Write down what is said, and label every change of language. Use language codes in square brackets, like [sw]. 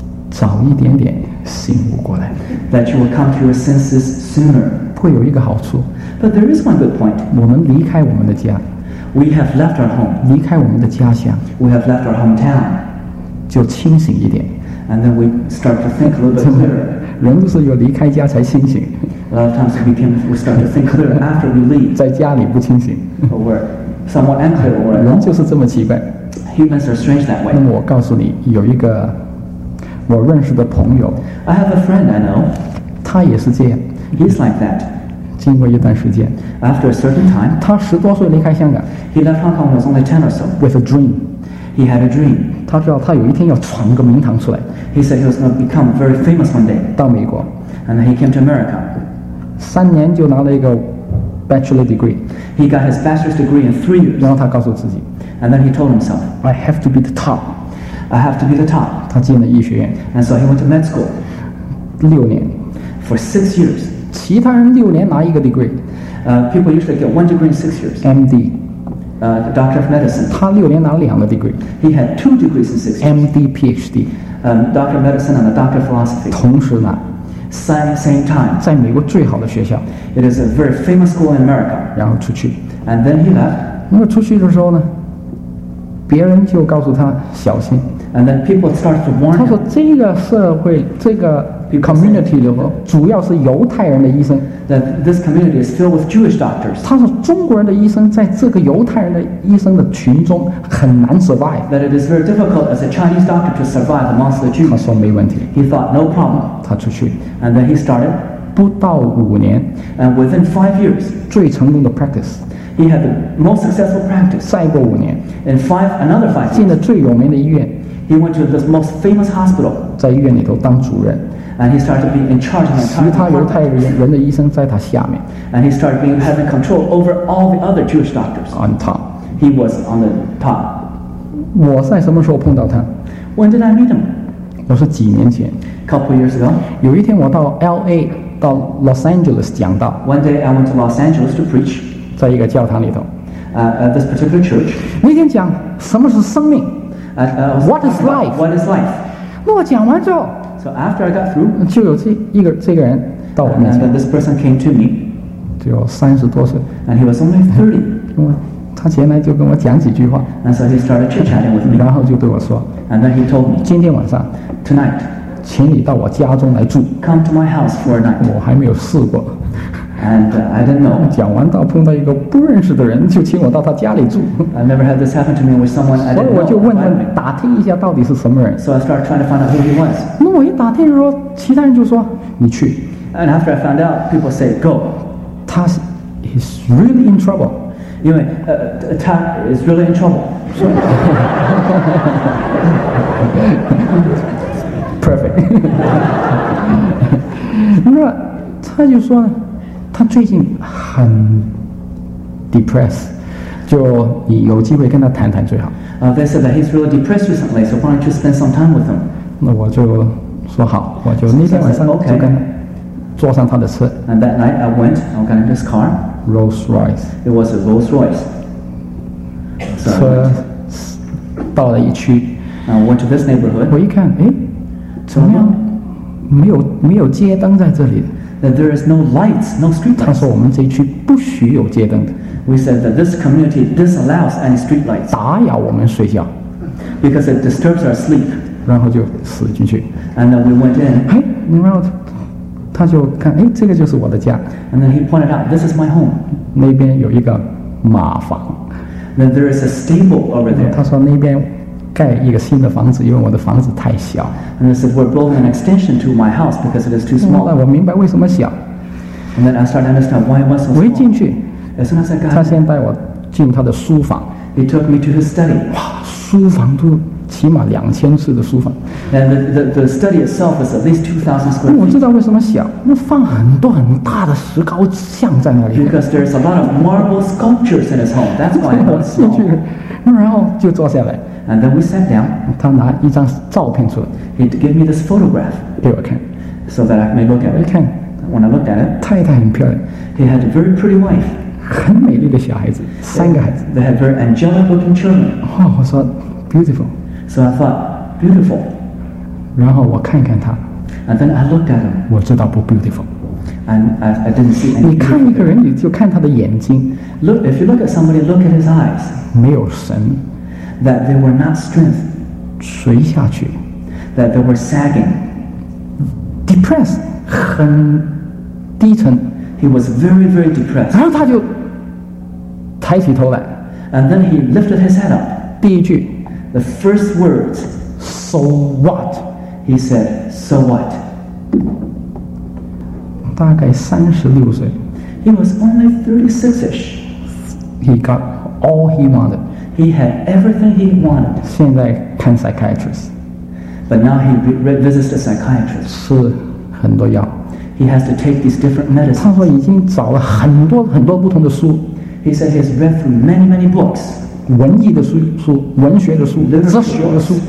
[zh] 早一点点醒悟过来 [en] ，that you will come to your senses sooner。 [zh] 会有一个好处。 [en] But there is one good point. [zh] 我们离开我们的家。 [en] We have left our home. [zh] 离开我们的家乡。 [en] We have left our hometown. [zh] 就清醒一点。 [en] And then we start to think a little bit clearer. [zh] 人都是有离开家才清醒。 [en] A lot of times we start to think clearer after we leave. [zh] 在家里不清醒。 [en] Or we're somewhat unclear. [zh] 人就是这么奇怪。 [en] Humans are strange that way. [zh] 那么我告诉你，有一个我认识的朋友。 [en] I have a friend I know. [zh] 他也是这样。 [en] He's like that. [zh] 经过一段时间 [en] After a certain time, [zh] 他十多岁离开香港 [en] He left Hong Kong when he was only 10 or so. With a dream. He had a dream. [zh] 他知道他有一天要闯个名堂出来 [en] He said he was going to become very famous one day. [zh] 到美国 [en] And then he came to America. [zh] 3年就拿了一个 [en] bachelor degree. He got his bachelor's degree in 3 years. [zh] 然后他告诉自己 [en] And then he told himself, I have to be the top. I have to be the top. [zh] 他进了医学院 [en] And so he went to med school. [zh] 6年 [en] For 6 years. [zh] 其他人六年拿一个 degree [en] people usually get one degree in 6 years MD Doctor of Medicine [zh] 他六年拿两个 degree [en] he had 2 degrees in 6 years MD PhD Doctor of Medicine and a Doctor of Philosophy [zh] 同时拿 [en] same time [zh] 在美国最好的学校 [en] it is a very famous school in America [zh] 然后出去 [en] and then he left [zh] 那么出去的时候呢别人就告诉他小心 [en] and then people start to warn him [zh] 他说这个社会这个Community 里头主要是犹太人的医生。 [en] That this community is filled with Jewish doctors. [zh] 他说中国人的医生在这个犹太人的医生的群中很难 [en] survive. That it is very difficult as a Chinese doctor to survive amongst the Jews. [zh] 他说没问题。 [en] He thought no problem. [zh] 他出去。 [en] And then he started. [zh] 不到5年。 [en] And within 5 years. [zh] 最成功的 [en] practice. He had the most successful practice. [zh] 再过5年。 [en] In another 5 years. [zh] 进了最有名的医院。 [en] He went to the most famous hospital. [zh] 在医院里头当主任。 [en] And he started being in charge of the entire department. [zh] 其他犹太人的医生在他下面。 [en] And he started being having control over all the other Jewish doctors. On top. He was on the top. [zh] 我在什么时候碰到他？ [en] When did I meet him? [zh] 我是几年前。 [en] Couple years ago. [zh] 有一天我到 LA， 到 Los Angeles 讲道。 [en] One day I went to Los Angeles to preach. [zh] 在一个教堂里头。 [en] At this particular church. [zh] 那天讲什么是生命？ [en] What is life? What is life? [zh] 那我讲完之后， [en] so after I got through, [zh] 就有这个人到我面前。 [en] And this person came to me. [zh] 只有三十多岁。 [en] And he was only 30. [zh] 他前来就跟我讲几句话。 [en] And so he started chit-chatting with me. [zh] 然后就对我说， [en] And then he told me, [zh] 今天晚上， [en] tonight, [zh] 请你到我家中来住。 [en] Come to my house for a night. [zh] 我还没有试过。 [en] And I didn't know. [zh] 讲完到碰到一个不认识的人，就请我到他家里住。 [en] I never had this happen to me with someone I didn't know. [zh] 所以我就问他，打听一下到底是什么人。 [en] So I started trying to find out who he was. [zh] 那我一打听说，其他人就说你去。 [en] And after I found out, people say go. He's really in trouble. [zh] 因为他 [en] is really in trouble. Perfect. [zh] 那他就说呢。他最近很 [en] depressed， [zh] 就你有机会跟他谈谈最好。 [en] They said that he's really depressed recently, so why don't you spend some time with him? [zh] 那我就说好，我就那天晚上就跟坐上他的车。 [en] And that night I went, I got in his car. Rolls Royce. It was a Rolls Royce. [zh] 车到了一区。 [en] And I went to this neighborhood. [zh] 我一看，哎，怎么样？没有街灯在这里。 [en] That there is no lights, no street lights. [zh] 他说我们这一区不许有街灯的。 [en] We said that this community disallows any street lights. [zh] 打扰我们睡觉。 [en] Because it disturbs our sleep. [zh] 然后就死进去。 [en] And then we went in. [zh] 哎，然后他就看，哎，这个就是我的家。 [en] And then he pointed out, this is my home. [zh] 那边有一个马房。 [en] Then there is a stable over there. [zh] 他说那边盖一个新的房子，因为我的房子太小。 [en] And I said, we're building an extension to my house because it is too small. [zh] 那我明白为什么小。 [en] And then I started to understand why it was so small. [zh] 我一进去， [en] as soon as I got, [zh] 他先带我进他的书房。 [en] He took me to his study. [zh] 哇，书房都起码2000尺的书房。 [en] And the study itself is at least 2,000 square feet. [zh] 我知道为什么小，那放很多很大的石膏像在那里。 [en] Because there's a lot of marble sculptures in his home. That's why it was small. [zh] 然后就坐下来。 [en] And then we sat down. [zh] 他拿一张照片出来。 [en] He gave me this photograph. [zh] 给我看。 [en] So that I may look at it. [zh] 看。 [en] When I looked at it. [zh] 太太很漂亮。 [en] He had a very pretty wife. [zh] 很美丽的小孩子，三个孩子。 [en] They had very angelic looking children. [zh] 哦，我说 [en] beautiful. So I thought beautiful. [zh] 然后我看看他。 [en] And then I looked at him. [zh] 我知道不 [en] beautiful. And I didn't see any. [zh] 你看一个人，你就看他的眼睛。 [en] Look, if you look at somebody, look at his eyes. [zh] 没有神。 [en] That they were not strength, [zh] 垂下去。 [en] That they were sagging, depressed, [zh] 很低沉。 [en] He was very, very depressed. [zh] 然后他就抬起头来。 [en] And then he lifted his head up. [zh] 第一句 [en] ，the first words, so what? He said, so what? [zh] 大概36岁。 [en] He was only 36-ish. He got all he wanted. He had everything he wanted. [zh] 现在看 [en] psychiatrist. But now he visits a psychiatrist. [zh] 吃很多药。 [en] He has to take these different medicines. [zh] 他说已经找了很多很多不同的书。 [en] He said he has read through many, many books. [zh] 文艺的书，文学的书，哲学的书，